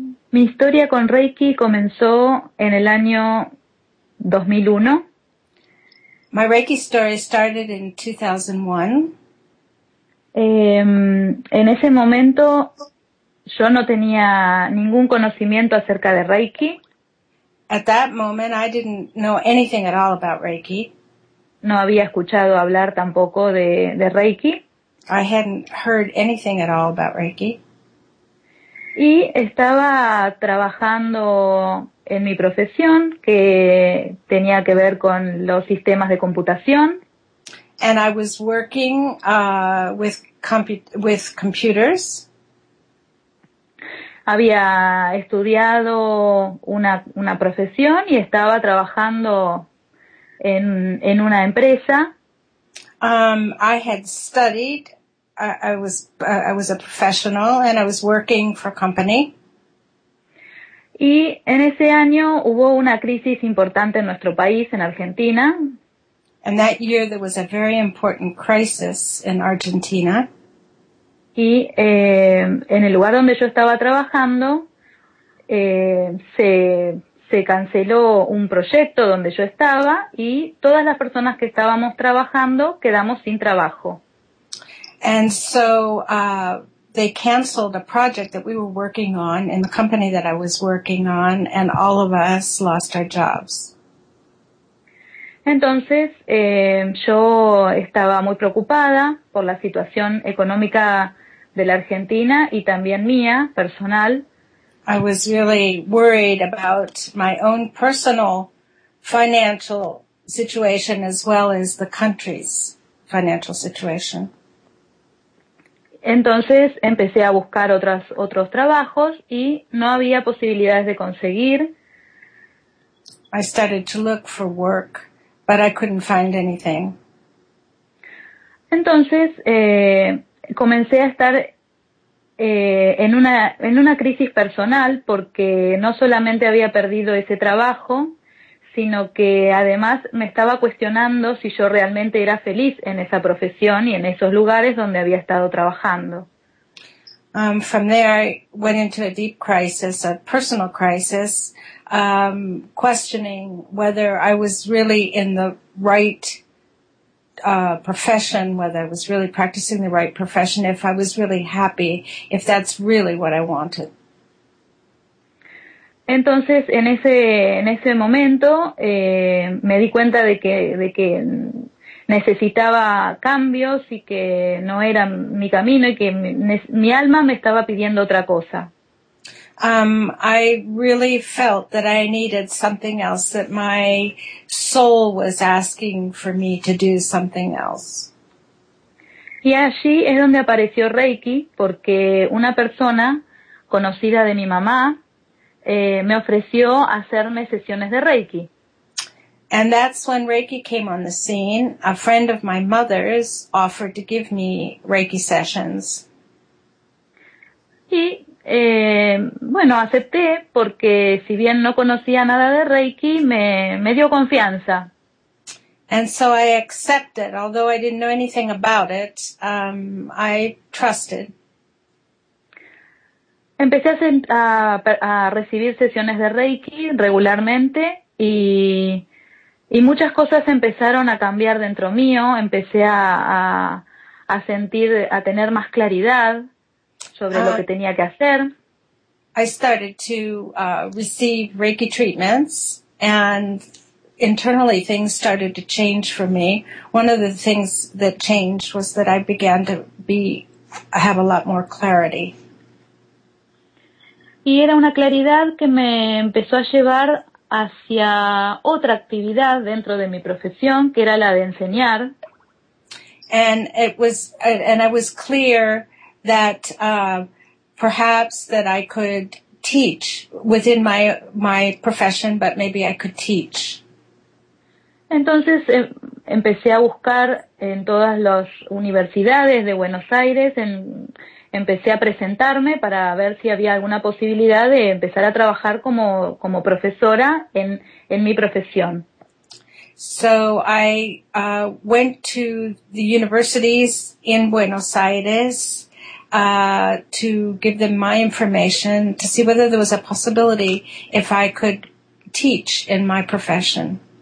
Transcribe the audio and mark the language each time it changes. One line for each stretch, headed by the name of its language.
Spanish: Mi historia con Reiki comenzó en el año 2001.
English: My Reiki story started in 2001.
Spanish: En ese momento yo no tenía ningún conocimiento acerca de Reiki.
English: At that moment, I didn't know anything at all about Reiki.
Spanish: No había escuchado hablar tampoco de Reiki.
English: I hadn't heard anything at all about Reiki.
Spanish: Y estaba trabajando en mi profesión, que tenía que ver con los sistemas de computación.
English: And I was working with computers.
Spanish: Había estudiado una profesión y estaba trabajando en una empresa.
English: I had studied. I was a professional and I was working for a company.
Spanish: Y en ese año hubo una crisis importante en nuestro país, en Argentina.
English: And that year there was a very important crisis in Argentina.
Spanish: Y en el lugar donde yo estaba trabajando, se canceló un proyecto donde yo estaba y todas las personas que estábamos trabajando quedamos sin trabajo.
English: And so they canceled a project that we were working on in the company that I was working on, and all of us lost our jobs.
Spanish: Entonces yo estaba muy preocupada por la situación económica de la Argentina y también mía, personal.
English: I was really worried about my own personal financial situation as well as the country's financial situation.
Spanish: Entonces empecé a buscar otros trabajos y no había posibilidades de conseguir.
English: I started to look for work, but I couldn't find anything.
Spanish: Entonces comencé a estar en una crisis personal, porque no solamente había perdido ese trabajo, sino que además me estaba cuestionando si yo realmente era feliz en esa profesión y en esos lugares donde había estado trabajando.
English: From there, I went into a deep crisis, a personal crisis, questioning whether I was really in the right profession, whether I was really practicing the right profession, if I was really happy, if that's really what I wanted.
Spanish: Entonces, en ese momento, me di cuenta de que necesitaba cambios y que no era mi camino y que mi alma me estaba pidiendo otra cosa.
English: I really felt that I needed something else, that my soul was asking for me to do something else.
Spanish: Y allí es donde apareció Reiki, porque una persona conocida de mi mamá me ofreció hacerme sesiones de Reiki.
English: And that's when Reiki came on the scene. A friend of my mother's offered to give me Reiki sessions.
Spanish: Y, bueno, acepté porque si bien no conocía nada de Reiki, me dio confianza.
English: And so I accepted, although I didn't know anything about it, I trusted.
Spanish: Empecé a recibir sesiones de Reiki regularmente y muchas cosas empezaron a cambiar dentro mío. Empecé a sentir, a tener más claridad sobre lo que tenía que hacer.
English: I started to receive Reiki treatments and internally things started to change for me. One of the things that changed was that I began to have a lot more clarity.
Spanish: Y era una claridad que me empezó a llevar hacia otra actividad dentro de mi profesión, que era la de enseñar.
English: And I was clear that perhaps that I could teach within my profession, but maybe I could teach.
Spanish: Entonces empecé a buscar en todas las universidades de Buenos Aires, empecé a presentarme para ver si había alguna posibilidad de empezar a trabajar como profesora en mi profesión.
English: So I went to the universities in Buenos Aires to give them my information to see whether there was a possibility if I could teach in my profession.